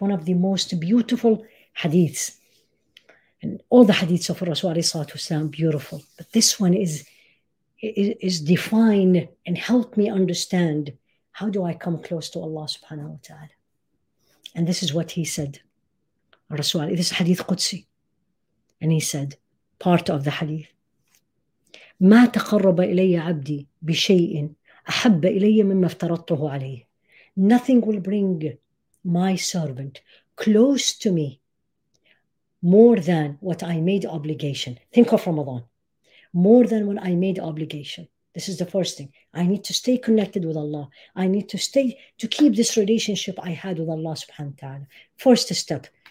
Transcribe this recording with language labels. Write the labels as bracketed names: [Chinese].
[English] One of the most beautiful hadiths. And all the hadiths of Rasulullah sound beautiful. But this one is define and help me understand how do I come close to Allah subhanahu wa ta'ala. And this is what he said. Rasulullah, this is hadith Qudsi. And he said, part of the hadith, [Arabic] ما تقرب إلي عبدي بشيء أحب إلي مما افترضته عليه. [English] Nothing will bring my servant close to me more than what I made obligation. Think of Ramadan. More than what I made obligation. This is the first thing. I need to stay connected with Allah. I need to stay to keep this relationship I had with Allah subhanahu wa ta'ala. First step.